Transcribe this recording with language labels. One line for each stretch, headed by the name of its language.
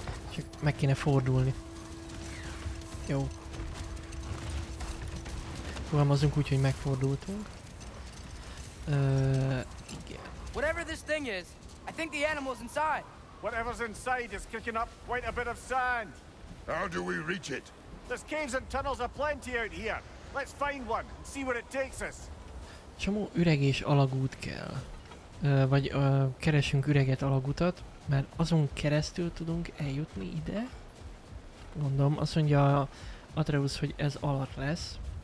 Hungarian: Csak meg kéne fordulni. Jó. Fogalmazunk úgy, hogy megfordultunk. Igen.
English: Whatever this thing is, I think the animal's inside. Whatever's inside is kicking up quite a bit of sand. How do we reach it? There's caves and tunnels aplenty out here. Let's find one and see where it takes us.
Hungarian: Csomó üreg és alagút kell. Vagy keresünk üreget, alagutat, mert azon keresztül tudunk eljutni ide. Gondolom, azt mondja Atreus, hogy ez alatt lesz.